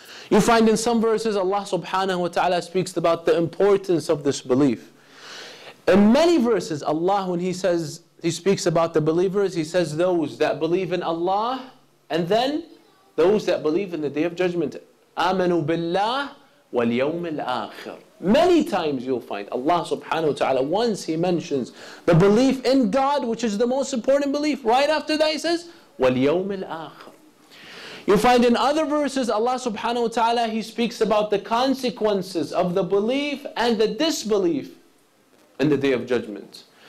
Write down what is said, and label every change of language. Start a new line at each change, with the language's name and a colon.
English: You find in some verses Allah subhanahu wa ta'ala speaks about the importance of this belief. In many verses, Allah, when He speaks about the believers, He says those that believe in Allah, and then those that believe in the Day of Judgment.
Arabic: آمنوا بالله واليوم الآخر.
English: Many times you'll find Allah subhanahu wa ta'ala, once He mentions the belief in God, which is the most important belief, right after that He says,
Arabic: واليوم الآخر.
English: You find in other verses, Allah subhanahu wa ta'ala, He speaks about the consequences of the belief and the disbelief in the Day of Judgment.